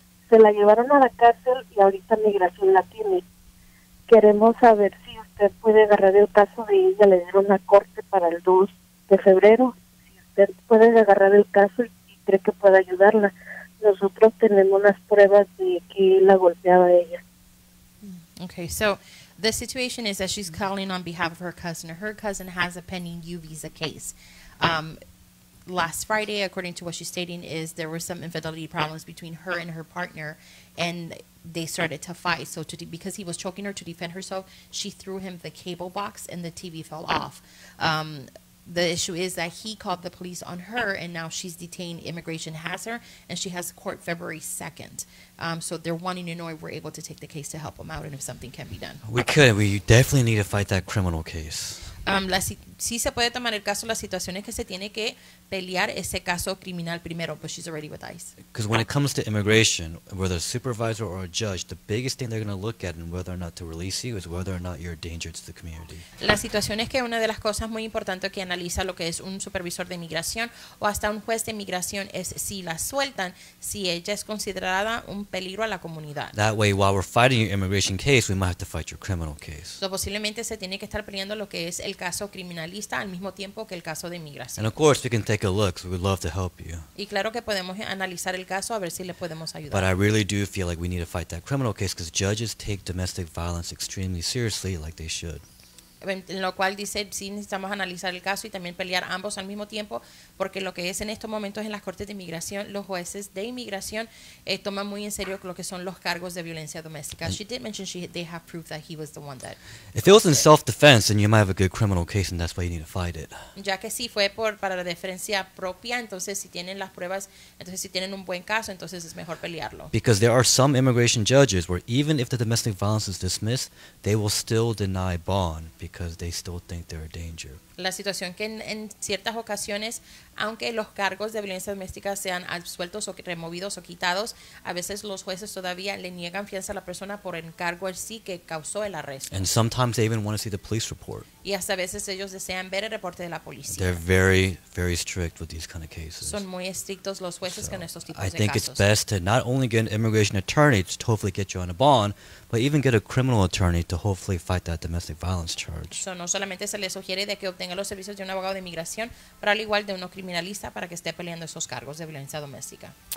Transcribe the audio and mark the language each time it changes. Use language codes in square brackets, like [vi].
[es] Se la llevaron a la cárcel y ahorita migración la tiene. Queremos saber si usted puede agarrar el caso de ella. Le dieron una corte para el 2 de febrero. Si usted puede agarrar el caso y cree que pueda ayudarla. Nosotros tenemos las pruebas de que la golpeaba ella. [en] Okay, so the situation is that she's calling on behalf of her cousin. Her cousin has a pending U visa case. Last Friday, according to what she's stating, is there were some infidelity problems between her and her partner, and they started to fight. So because he was choking her to defend herself, she threw him the cable box, and the TV fell off. The issue is that he called the police on her, and now she's detained. Immigration has her, and she has court February 2nd. So they're wanting to know if we're able to take the case to help him out and if something can be done. We could. We definitely need to fight that criminal case. [es] Sí se puede tomar el caso. La situación es que se tiene que pelear ese caso criminal primero. [en] But she's already with ICE. Because when it comes to immigration, whether a supervisor or a judge, the biggest thing they're going to look at in whether or not to release you is whether or not you're a danger to the community. [es] La situación es que una de las cosas muy importantes que analiza lo que es un supervisor de inmigración o hasta un juez de inmigración es si la sueltan, si ella es considerada un peligro a la comunidad. [en] That way, while we're fighting your immigration case, we might have to fight your criminal case. [es] So posiblemente se tiene que estar peleando lo que es el caso criminalista al mismo tiempo que el caso de inmigración. [en] And of course, we can take a look, so we'd love to help you. [es] Y claro que podemos analizar el caso a ver si le podemos ayudar. [en] But I really do feel like we need to fight that criminal case because judges take domestic violence extremely seriously, like they should. [es] En lo cual dice, sí necesitamos analizar el caso y también pelear ambos al mismo tiempo, porque lo que es en estos momentos en las cortes de inmigración, los jueces de inmigración toman muy en serio lo que son los cargos de violencia doméstica. [en] And she did mention they have proof that he was the one that... If it was in self-defense, then you might have a good criminal case and that's why you need to fight it. [es] Ya que sí fue para la defensa propia, entonces si tienen las pruebas, entonces si tienen un buen caso, entonces es mejor pelearlo. [en] Because there are some immigration judges where even if the domestic violence is dismissed, they will still deny bond. Because they still think they're a danger. [es] La situación que en ciertas ocasiones, aunque los cargos de violencia doméstica sean absueltos o removidos o quitados, a veces los jueces todavía le niegan fianza a la persona por el cargo en sí que causó el arresto. [en] And sometimes they even want to see the police report. [es] y hasta a veces ellos desean ver el reporte de la policía. [en] They're very, very strict with these kind of cases. [es] Son muy estrictos los jueces con estos tipos de casos. [en] I think it's best to not only get an immigration attorney to hopefully get you on a bond, but even get a criminal attorney to hopefully fight that domestic violence charge. [es] So no solamente se les sugiere de que obtengan los servicios de un abogado de inmigración, pero al igual de uno criminalista para que esté peleando esos cargos de violencia doméstica.